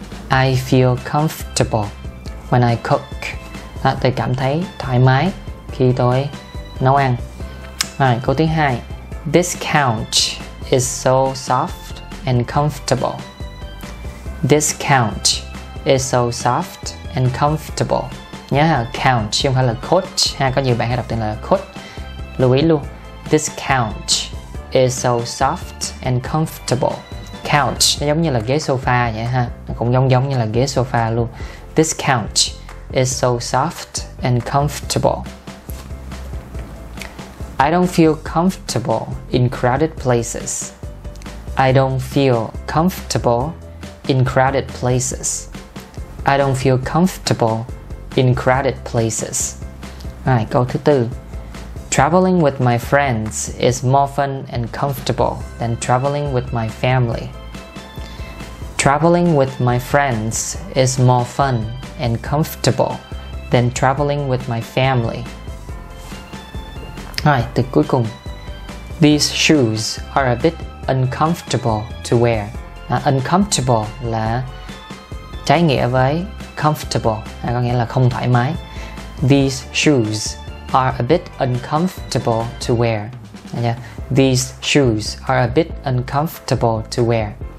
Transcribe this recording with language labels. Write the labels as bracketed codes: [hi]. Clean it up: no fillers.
[en] I feel comfortable when I cook. [vi] Đó, tôi cảm thấy thoải mái khi tôi nấu ăn. Rồi, câu thứ hai, [en] this couch is so soft and comfortable. This couch is so soft and comfortable. [vi] Nhớ ha, couch chứ không phải là coach ha, có nhiều bạn hay đọc tên là coach. Lưu ý luôn, [en] this couch is so soft and comfortable. [vi] Couch nó giống như là ghế sofa vậy ha, nó cũng giống như là ghế sofa luôn. [en] This couch is so soft and comfortable. I don't feel comfortable in crowded places. I don't feel comfortable in crowded places. I don't feel comfortable in crowded places. [vi] Rồi, câu thứ tư, [en] Traveling with my friends is more fun and comfortable than traveling with my family. Traveling with my friends is more fun and comfortable than traveling with my family. [vi] Rồi, từ cuối cùng. [en] These shoes are a bit uncomfortable to wear. [vi] Uncomfortable là trái nghĩa với comfortable, có nghĩa là không thoải mái. [en] These shoes are a bit uncomfortable to wear. Yeah. These shoes are a bit uncomfortable to wear.